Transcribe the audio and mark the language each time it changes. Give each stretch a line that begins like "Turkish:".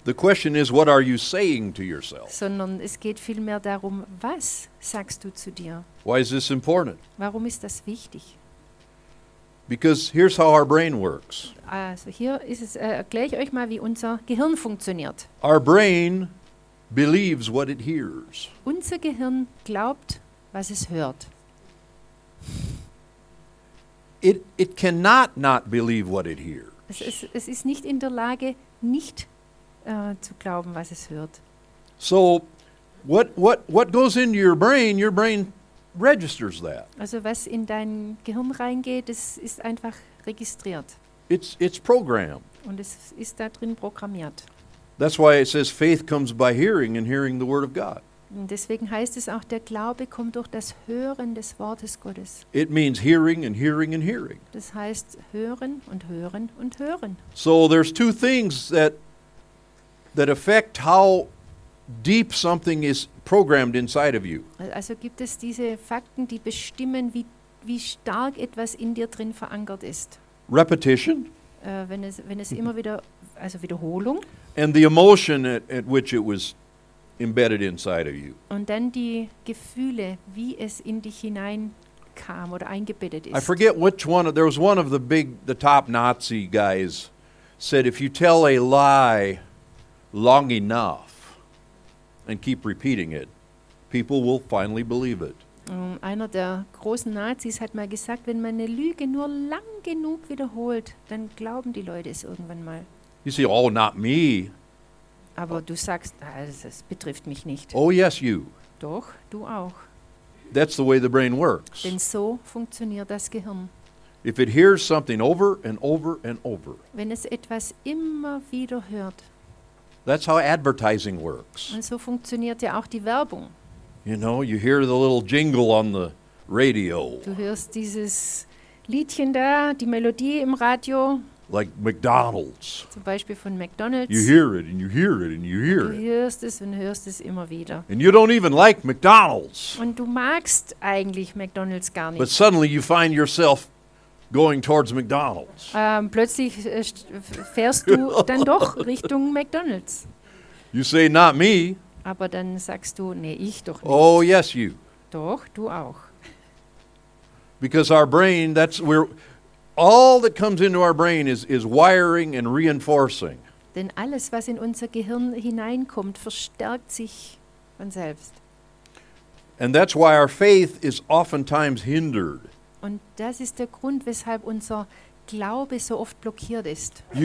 English: The question is, what are you saying to yourself?
German: Sondern es geht vielmehr darum, was sagst du zu dir?
English: Why is this important?
German: Warum ist das wichtig?
English: Because here's how our brain works.
German: Also hier ist es, erkläre ich euch mal, wie unser Gehirn funktioniert.
English: Our brain believes what it hears.
German: Unser Gehirn glaubt, was es hört.
English: It cannot not believe what it hears.
German: Es ist nicht in der Lage, nicht zu glauben, was es hört.
English: So, what goes into your brain registers that.
German: Also was in dein Gehirn reingeht, das ist einfach registriert.
English: It's programmed.
German: Und es ist da drin programmiert.
English: That's why it says faith comes by hearing and hearing the word of God.
German: Und deswegen heißt es auch, der Glaube kommt durch das Hören des Wortes Gottes.
English: It means hearing and hearing and hearing.
German: Das heißt hören und hören und hören.
English: So there's two things that affect how deep something is programmed inside of you.
German: Also gibt es diese Fakten, die bestimmen, wie stark etwas in dir drin verankert ist.
English: Repetition.
German: Wenn es immer wieder, also Wiederholung.
English: And the emotion at which it was embedded inside of you.
German: Und dann die Gefühle, wie es in dich hineinkam oder eingebettet ist.
English: I forget which one. There was one of the top Nazi guys said, if you tell a lie long enough and keep repeating it, people will finally believe it.
German: Einer der großen Nazis hat mal gesagt, wenn man eine Lüge nur lang genug wiederholt, dann glauben die Leute es irgendwann mal.
English: You say, oh, not me.
German: Aber du sagst, es betrifft mich nicht.
English: Oh yes, you.
German: Doch, du auch.
English: That's the way the brain works.
German: Denn so funktioniert das Gehirn.
English: If it hears something over and over and over.
German: Wenn es etwas immer wieder hört.
English: That's how advertising works.
German: Und so funktioniert ja auch die Werbung.
English: You know, you hear the little jingle on the radio.
German: Du hörst dieses Liedchen da, die Melodie im Radio.
English: like McDonald's.
German: Zum Beispiel von McDonald's.
English: You hear it and you hear it and you hear it.
German: Du hörst es und hörst es immer wieder.
English: And you don't even like McDonald's.
German: Und du magst eigentlich McDonald's gar nicht.
English: But suddenly you find yourself going towards McDonald's.
German: Plötzlich fährst du dann doch Richtung McDonald's.
English: You say not me.
German: Aber dann sagst du, nee, ich doch nicht.
English: Oh yes, you.
German: Doch, du auch.
English: Because our brain, that's where all that comes into our brain is wiring and reinforcing.
German: Denn alles, was in unser Gehirn hineinkommt, verstärkt sich von selbst.
English: And that's why our faith is oftentimes hindered.
German: Und das ist der Grund, weshalb unser Glaube so oft blockiert ist.